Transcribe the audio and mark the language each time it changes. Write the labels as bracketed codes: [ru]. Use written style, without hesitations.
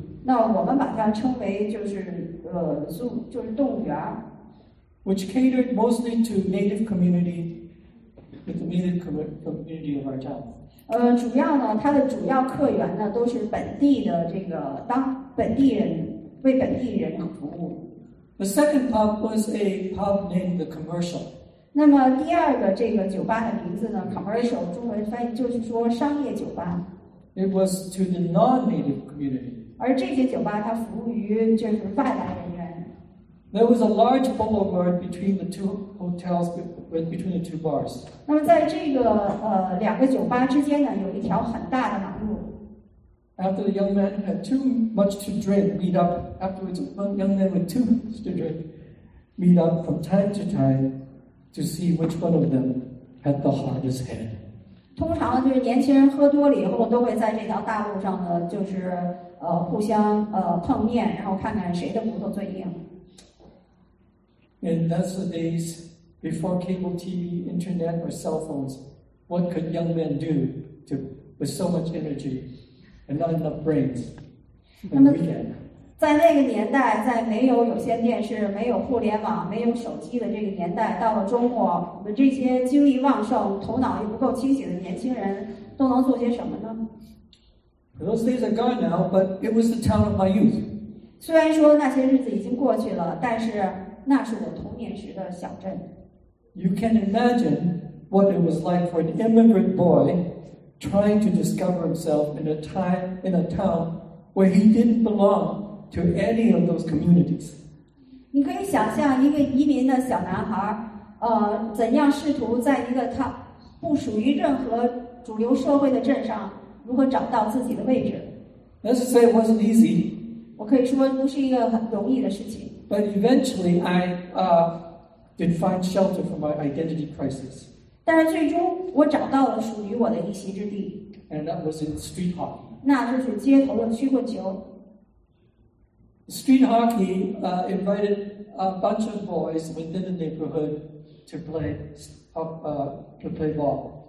[zh] 那我们把它称为就是Zoo, 就是动物园。 [en] Which catered mostly to native community. The native community of our town. [zh] 主要呢，它的主要客源呢都是本地的这个当本地人为本地人服务。 [en] The second pub was a pub named the Commercial. [zh] 那么第二个这个酒吧的名字呢 commercial 中文翻译就是说商业酒吧。 [en] It was to the non-native community. [zh] 而这些酒吧它服务于就是外来人员。 [en] There was a large boulevard between the two hotels, between the two bars. [zh] 那么在这个两个酒吧之间呢，有一条很大的马路。 [en] After the young man had too much to drink, meet up. Afterwards, the young man with too much to drink, meet up from time to time to see which one of them had the hardest head. [zh] 通常就是年轻人喝多了以后，都会在这条大路上呢，就是互相碰面，然后看看谁的骨头最硬。 [en] And that's the days before cable TV, internet, or cell phones. What could young men do to with so much energy? And not enough brains. [zh] 那么，在那个年代，在没有有线电视、没有互联网、没有手机的这个年代，到了周末，我们这些精力旺盛、头脑又不够清醒的年轻人，都能做些什么呢 [en] ？Those days are gone now, but it was the time of my youth. [zh] 虽然说那些日子已经过去了，但是那是我童年时的小镇。 [en] You can imagine what it was like for an immigrant boy. Trying to discover himself in a time in a town where he didn't belong to any of those communities. [zh] 你可以想象一个移民的小男孩，怎样试图在一个他不属于任何主流社会的镇上，如何找到自己的位置。 [en] Let's say it wasn't easy. [zh] 我可以说不是一个很容易的事情。 [en] But eventually, I did find shelter for my identity crisis. [zh] 但是最终，我找到了属于我的一席之地。 [en] And that was in street hockey. [zh] 那就是街头的曲棍球。 [en] Street hockey invited a bunch of boys within the neighborhood to play to play ball.